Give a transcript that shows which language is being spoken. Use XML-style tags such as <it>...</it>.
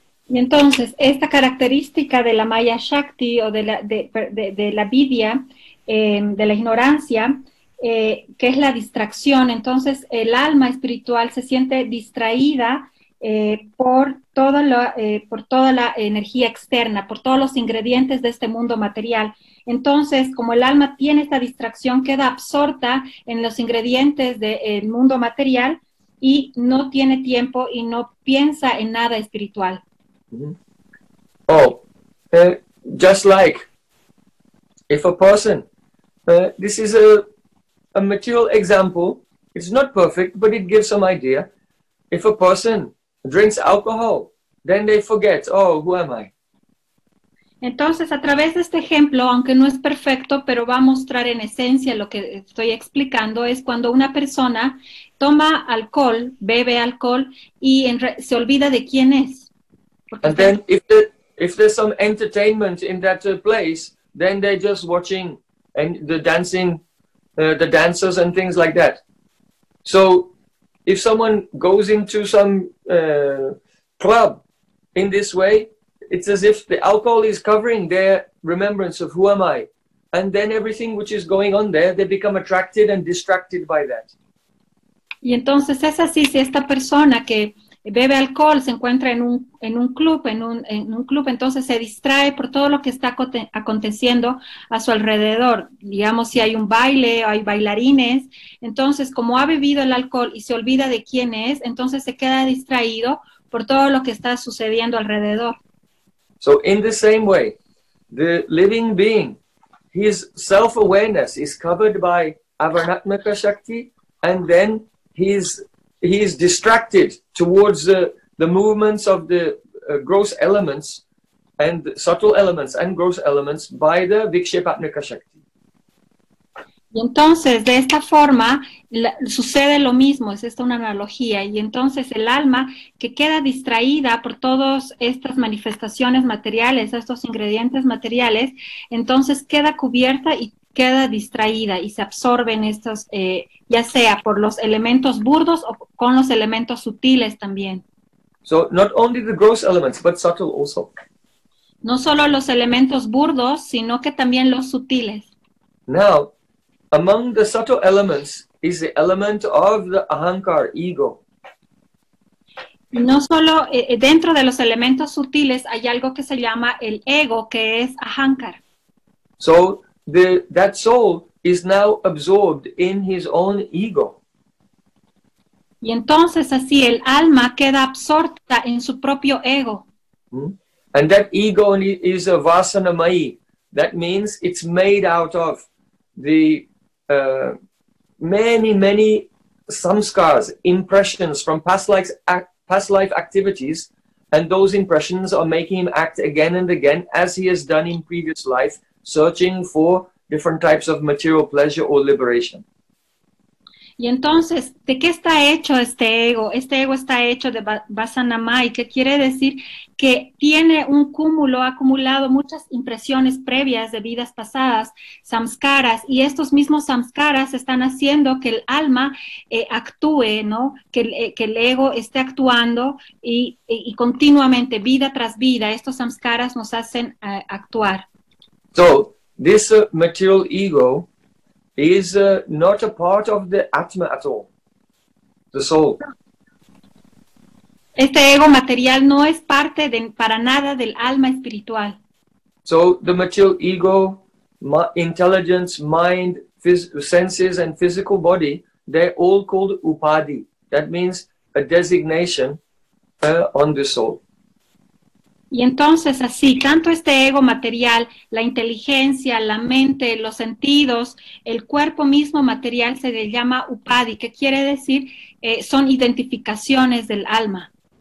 <es>Y entonces, esta característica de la Maya Shakti o de la vidya, de la ignorancia, que es la distracción, entonces el alma espiritual se siente distraída por toda la energía externa, por todos los ingredientes de este mundo material. Entonces, como el alma tiene esta distracción, queda absorta en los ingredientes del mundo material y no tiene tiempo y no piensa en nada espiritual. Mm-hmm.</es> <en>Oh, just like if a person, this is a material example, it's not perfect, but it gives some idea. If a person drinks alcohol, then they forget, oh, who am I?</en> <es>Entonces, a través de este ejemplo, aunque no es perfecto, pero va a mostrar en esencia lo que estoy explicando, es cuando una persona toma alcohol, bebe alcohol, y se olvida de quién es.</es> <en>And then if there's some entertainment in that place, then they're just watching and the dancing, the dancers and things like that. So if someone goes into some club in this way, it's as if the alcohol is covering their remembrance of who am I. And then everything which is going on there, they become attracted and distracted by that.</en> <es>Y entonces es así, si esta persona que bebe alcohol, se encuentra en un club, entonces se distrae por todo lo que está aconteciendo a su alrededor. Digamos, si hay un baile o hay bailarines, entonces como ha bebido el alcohol y se olvida de quién es, entonces se queda distraído por todo lo que está sucediendo alrededor.</es> <en>So in the same way, the living being, his self-awareness is covered by avaranatmaka shakti, and then he is distracted towards the movements of the gross elements and subtle elements and gross elements by the vikshepatmika shakti.</en> <es>Y entonces, de esta forma, sucede lo mismo, es esta una analogía, y entonces el alma que queda distraída por todas estas manifestaciones materiales, estos ingredientes materiales, entonces queda cubierta y queda distraída y se absorben estos, ya sea por los elementos burdos o con los elementos sutiles también.</es> <en>So, not only the gross elements, but subtle also.</en> <es>No solo los elementos burdos, sino que también los sutiles.</es> <en>Now, among the subtle elements is the element of the ahankar, ego.</en> <es>No solo dentro de los elementos sutiles hay algo que se llama el ego, que es ahankar.</es> <en>So, that soul is now absorbed in his own ego.</en> <es>Y entonces así el alma queda absorta en su propio ego.</es> <en>Mm-hmm. And that ego is a vasana mayi. That means it's made out of the many, many samskars, impressions from past life activities. And those impressions are making him act again and again as he has done in previous life, searching for different types of material pleasure or liberation.</en> <es>Y entonces, ¿de qué está hecho este ego? Este ego está hecho de vasanamai, que quiere decir que tiene un cúmulo, ha acumulado muchas impresiones previas de vidas pasadas, samskaras, y estos mismos samskaras están haciendo que el alma actúe, ¿no? Que el ego esté actuando y continuamente, vida tras vida, estos samskaras nos hacen actuar.</es> <en>So, this material ego is not a part of the Atma at all, the soul.</en> <es>Este ego material no es parte de, para nada del alma espiritual.</es> <en>So the material ego, intelligence, mind, senses and physical body, they're all called upadhi. That means a designation on the soul.</en> <es>Y entonces así, tanto este ego material, la inteligencia, la mente, los sentidos, el cuerpo mismo material se le llama upadhi, que quiere decir son identificaciones del alma.</es>